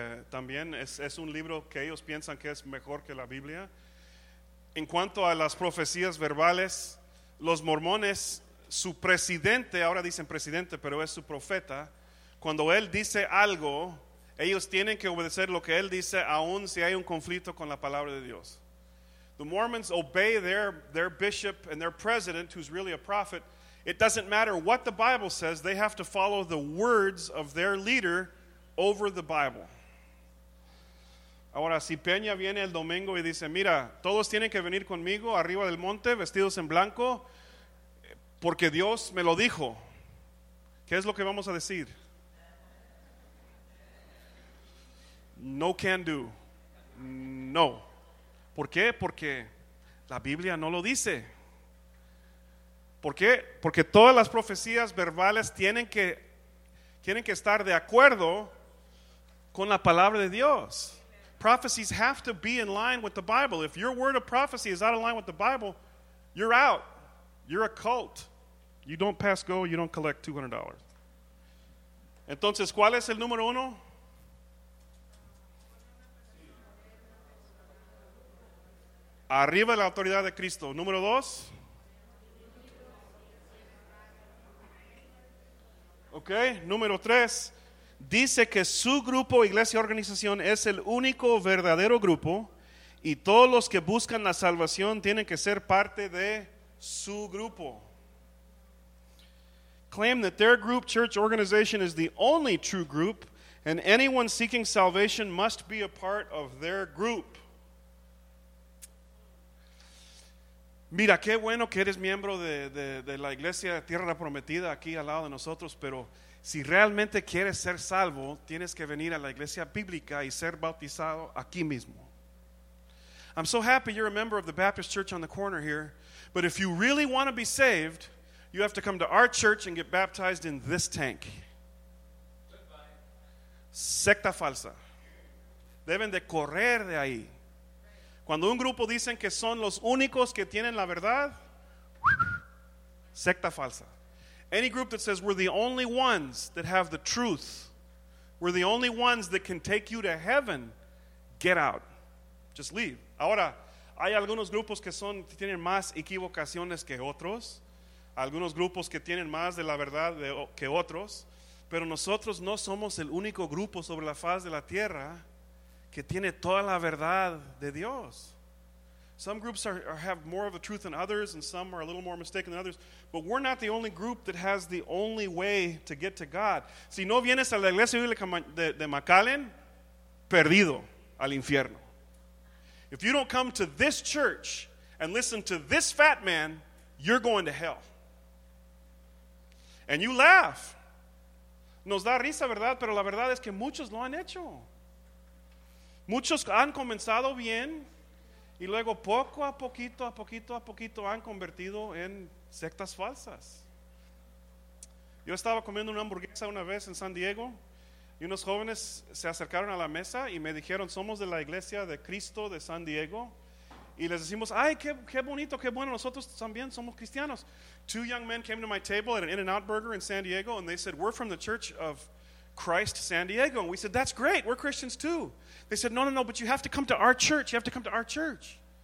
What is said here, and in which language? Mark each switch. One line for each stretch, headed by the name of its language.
Spanish: También es un libro que ellos piensan que es mejor que la Biblia. En cuanto a las profecías verbales, los mormones, su presidente, ahora dicen presidente, pero es su profeta, cuando él dice algo, ellos tienen que obedecer lo que él dice, aun si hay un conflicto con la palabra de Dios.
English: The Mormons obey their bishop and their president, who's really a prophet. It doesn't matter what the Bible says, they have to follow the words of their leader over the Bible.
Spanish: Ahora, si Peña viene el domingo y dice, mira, todos tienen que venir conmigo arriba del monte, vestidos en blanco, porque Dios me lo dijo. ¿Qué es lo que vamos a decir?
English: No can do. No.
Spanish: ¿Por qué? Porque la Biblia no lo dice. ¿Por qué? Porque todas las profecías verbales tienen que estar de acuerdo con la palabra de Dios.
English: Prophecies have to be in line with the Bible. If your word of prophecy is out of line with the Bible, you're out. You're a cult. You don't pass go, you don't collect $200.
Spanish: Entonces, ¿cuál es el número uno? Arriba de la autoridad de Cristo. Número dos. Ok, número tres. Dice que su grupo, iglesia, organización, es el único verdadero grupo y todos los que buscan la salvación tienen que ser parte de su grupo.
English: Claim that their group, church, organization is the only true group and anyone seeking salvation must be a part of their group.
Spanish: Mira, qué bueno que eres miembro de la iglesia Tierra Prometida aquí al lado de nosotros, pero si realmente quieres ser salvo, tienes que venir a la iglesia bíblica y ser bautizado aquí mismo.
English: I'm so happy you're a member of the Baptist Church on the corner here, but if you really want to be saved, you have to come to our church and get baptized in this tank. Goodbye.
Spanish: Secta falsa. Deben de correr de ahí. Cuando un grupo dicen que son los únicos que tienen la verdad, secta falsa.
English: Any group that says we're the only ones that have the truth, we're the only ones that can take you to heaven, get out. Just leave.
Spanish: Ahora, hay algunos grupos que son tienen más equivocaciones que otros, algunos grupos que tienen más de la verdad que otros, pero nosotros no somos el único grupo sobre la faz de la tierra que tiene toda la verdad de Dios.
English: Some groups have more of the truth than others, and some are a little more mistaken than others. But we're not the only group that has the only way to get to God.
Spanish: Si no vienes a la iglesia bíblica de McAllen, perdido al infierno.
English: If you don't come to this church and listen to this fat man, you're going to hell. And you laugh.
Spanish: Nos da risa, ¿verdad? Pero la verdad es que muchos lo han hecho. Muchos han comenzado bien. Y luego poco a poquito, a poquito, a poquito han convertido en sectas falsas. Yo estaba comiendo una hamburguesa una vez en San Diego y unos jóvenes se acercaron a la mesa y me dijeron, somos de la iglesia de Cristo de San Diego. Y les decimos, ay, qué bonito, qué bueno, nosotros también somos cristianos.
English: Two young men came to my table at an In-N-Out Burger in San Diego and they said, we're from the Church of Christ San Diego. And we said, that's great, we're Christians too. They said, no, but you have to come to our church. You have to come to our church.